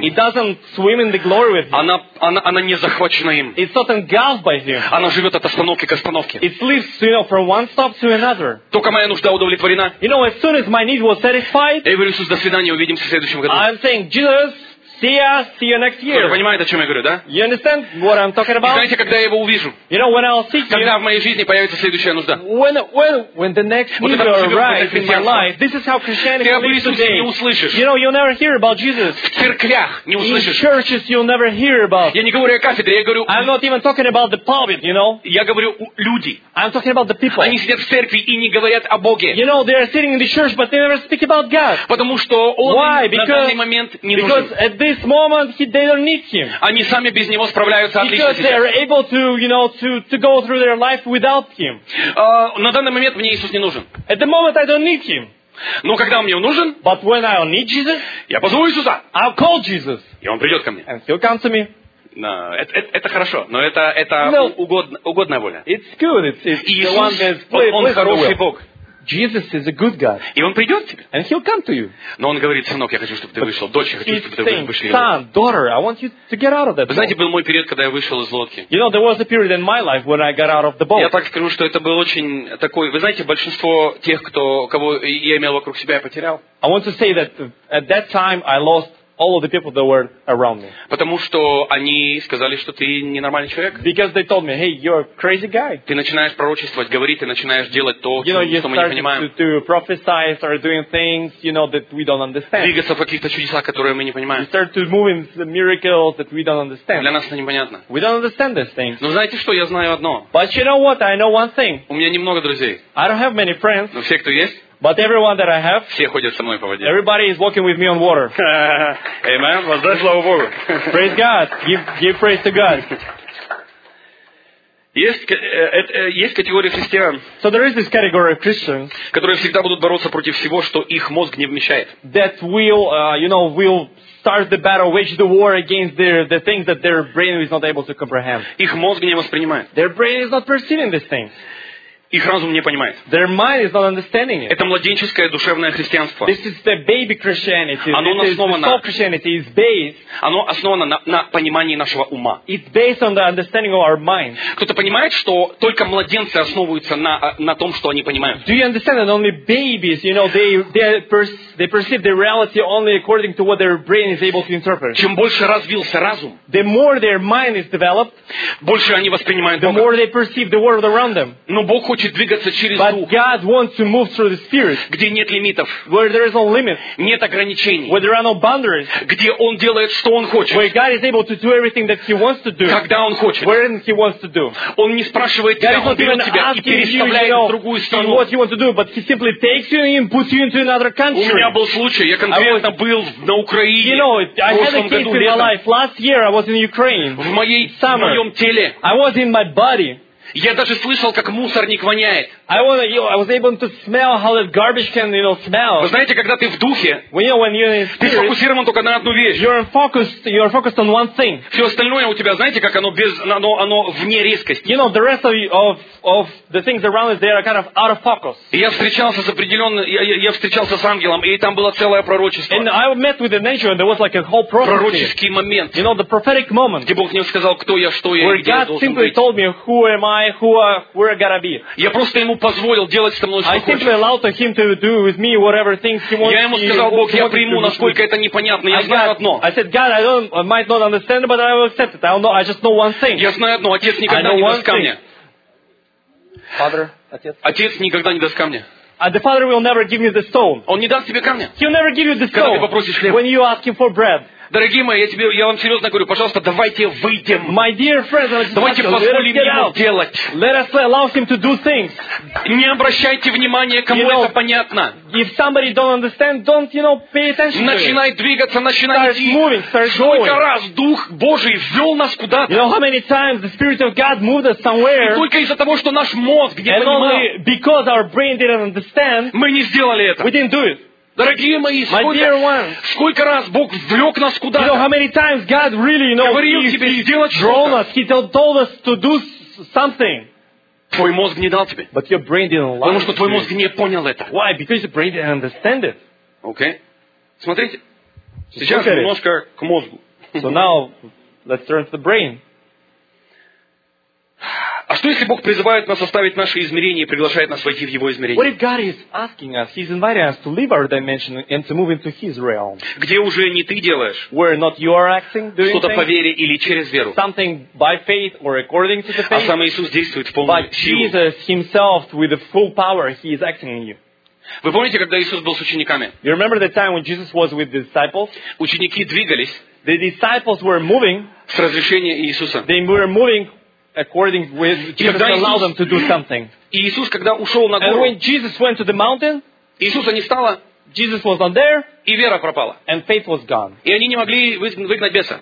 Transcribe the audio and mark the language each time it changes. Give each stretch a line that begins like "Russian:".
English: It doesn't swim in the glory with him.
Russian: Она не захвачена им.
English: It's not engulfed by him.
Russian: Она живет от остановки к остановке.
English: It lives, you know, from one stop to another.
Russian: Только моя нужда удовлетворена.
English: You know, as soon as my need was satisfied,
Russian: я говорю, Иисус, до свидания, увидимся в следующем году.
English: I'm saying, Jesus, see you next year.
Russian: Кто-то понимает, о чем я говорю, да?
English: You understand what I'm talking about?
Russian: И знаете, когда я его увижу?
English: You know, when I'll see
Russian: когда
English: you.
Russian: Когда в моей жизни появится следующая нужда?
English: When the next need
Russian: вот
English: arrives in my life, this is how Christianity lives today.
Russian: Ты об Иисусе не услышишь.
English: You know, you'll never hear about Jesus.
Russian: В церквях не услышишь.
English: In churches, you'll never hear about.
Russian: Я не говорю о кафедре, я говорю.
English: I'm not even talking about the pulpit, you know.
Russian: Я говорю люди.
English: I'm talking about the people.
Russian: Они сидят в церкви и не говорят о Боге.
English: You know, they are sitting in the church, but they never speak about God.
Russian: Потому что он
English: Why? Because,
Russian: на данный момент не нужен.
English: This moment they don't need him.
Russian: Они сами без него справляются отлично.
English: Because they are able to, you know, to go through their life without him.
Russian: На данный момент мне Иисус не нужен.
English: At the moment I don't need him.
Russian: Но когда мне он нужен?
English: But when I need Jesus,
Russian: я позову Иисуса.
English: I'll call Jesus.
Russian: И он придет ко мне.
English: And he'll come to me. No,
Russian: это хорошо, но это no, угодная воля.
English: It's good. It's
Russian: Иисус,
English: the one that's
Russian: он хороший Бог.
English: Jesus is a good God.
Russian: И он придет к тебе.
English: And he'll come to you.
Russian: Но он говорит, сынок, я хочу, чтобы ты вышел. Дочь, я хочу, чтобы ты вышел.
English: Son, daughter, I want you to get out of that boat.
Russian: Знаете, был мой период, когда я вышел из лодки.
English: You know, there was a period in my life when I got out of the boat.
Russian: Я так скажу, что это был очень такой... Вы знаете, большинство тех, кого я имел вокруг себя, я потерял.
English: I want to say that at that time I lost all of the people that were around me.
Russian: Потому что они сказали, что ты ненормальный человек.
English: Because they told me, hey, you're a crazy guy.
Russian: Ты начинаешь пророчествовать, говорить, ты начинаешь делать то,
English: you know,
Russian: что мы не понимаем.
English: To prophesy, start doing things, you know, that we don't understand.
Russian: Двигаться в каких-то чудесах, которые мы не понимаем.
English: You start to move in miracles that we don't understand.
Russian: Для нас это непонятно.
English: We don't understand these things.
Russian: Но знаете что, я знаю одно.
English: But you know what, I know one thing.
Russian: У меня немного друзей.
English: I don't have many friends.
Russian: Но все, кто есть.
English: But everyone that I have,
Russian: все ходят со мной по воде.
English: Everybody is walking with me on water.
Russian: Amen. Воздай славу Богу.
English: Praise God. Give praise to God.
Russian: Есть категория христиан,
English: so there is this category of Christians,
Russian: которые всегда будут бороться против всего, что их мозг не вмещает.
English: That will, you know, will start the battle, wage the war against the things that their brain is not able to comprehend.
Russian: Их мозг не воспринимает.
English: Their brain is not perceiving these things.
Russian: Их разум не понимает.
English: Their mind is not understanding it.
Russian: Это младенческое душевное христианство.
English: This is the baby Christianity.
Russian: Оно основано,
English: soft Christianity is based.
Russian: Оно основано на понимании нашего ума.
English: It's based on the understanding of our mind.
Russian: Кто-то понимает, что только младенцы основываются на том, что они понимают?
English: Do you understand that only babies, you know, they perceive the reality only according to what their brain is able to interpret?
Russian: Чем больше развился разум,
English: the more their mind is developed,
Russian: больше они воспринимают
English: the
Russian: Бога.
English: The more they perceive the world around them.
Russian: Но Бог хочет двигаться через
English: But
Russian: дух,
English: God wants to move through the Spirit,
Russian: где нет лимитов,
English: where there is no limit,
Russian: нет ограничений,
English: where there are no boundaries,
Russian: где Он делает, что Он хочет,
English: where God is able to do everything that He wants to do,
Russian: когда Он хочет,
English: when He wants to do.
Russian: Он не спрашивает тебя, Он берет тебя и переставляет в другую страну.
English: What He wants to do, but He simply takes you and puts you into another country.
Russian: У меня был случай, я конкретно был на Украине.
English: You know, I had a case in my life. Last year I was in Ukraine.
Russian: В моей,
English: summer,
Russian: в моем теле.
English: I was in my body.
Russian: Я даже слышал, как мусорник воняет.
English: I was able to smell how that garbage can, you know, smell.
Russian: Вы знаете, когда ты в духе, ты фокусирован только на одну вещь.
English: You're focused on one thing.
Russian: Все остальное у тебя, знаете, как оно без, оно вне резкости.
English: You know, the rest of the things around us, they are kind of out of focus.
Russian: Я встречался с ангелом, и там было целое пророчество.
English: And I met with an angel, and there was like a whole prophecy.
Russian: Пророческий момент.
English: You know, the prophetic moment.
Russian: Где Бог мне сказал, кто я, что я, где я должен быть.
English: Where God simply told me, who am I, where I gotta be.
Russian: Я просто ему позволил делать со мной что хочет.
English: I simply allowed him to do with me whatever things he wants.
Russian: Я ему сказал, Бог, я приму, насколько это непонятно. Я знаю одно.
English: I said, God, I might not understand, but I will accept it. I just know one thing.
Russian: Я знаю одно. Отец никогда не даст камня.
English: Father,
Russian: отец. Отец никогда не даст камня.
English: The Father will never give me the stone.
Russian: Он не даст тебе камня.
English: He'll never give you the stone.
Russian: Когда ты попросишь хлеб.
English: When you ask him for bread.
Russian: Дорогие мои, я вам серьезно говорю, пожалуйста, давайте выйдем.
English: My dear friends,
Russian: давайте позволим ему делать.
English: Let us allow him to do things.
Russian: Не обращайте внимания, кому это понятно.
English: If somebody don't understand, don't, you know, pay attention.
Russian: Начинай двигаться, начинай идти.
English: Start moving, start going.
Russian: Сколько раз Дух Божий ввел нас куда-то?
English: You know how many times the Spirit of God moved us somewhere?
Russian: И только из-за того, что наш мозг не понимал.
English: And only because our brain didn't understand.
Russian: Мы не сделали это.
English: We didn't do it.
Russian: Дорогие мои, сколько раз Бог влёк нас куда-то?
English: You know, how many times God really, you know,
Russian: говорил тебе сделать что-то?
English: He told us to do something.
Russian: Твой мозг не дал тебе.
English: But your brain didn't allow.
Russian: Потому что твой мозг не понял это.
English: Why? Because your brain didn't understand it.
Russian: Okay. Смотрите. Сейчас немножко к мозгу.
English: So now, let's turn to the brain.
Russian: А что если Бог призывает нас оставить наши измерения и приглашает нас войти в Его измерение?
English: What if God is asking us, He's inviting us to leave our dimension and to move into His realm?
Russian: Где уже не ты делаешь?
English: Where not you are acting, doing
Russian: что-то по вере или через веру?
English: Something by faith or according to the faith.
Russian: А сам Иисус действует в полную силу.
English: But Jesus Himself, with the full power, He is acting in you.
Russian: Вы помните, когда Иисус был с учениками?
English: You remember the time when Jesus was with the disciples?
Russian: Ученики двигались.
English: The disciples were moving.
Russian: С разрешения Иисуса.
English: They were moving. According with Jesus allowed them to do something.
Russian: Иисус, когда ушел на гору,
English: and when Jesus went to the mountain,
Russian: Иисуса не стало,
English: Jesus was not there,
Russian: и вера пропала,
English: and faith was gone.
Russian: И они не могли выгнать беса.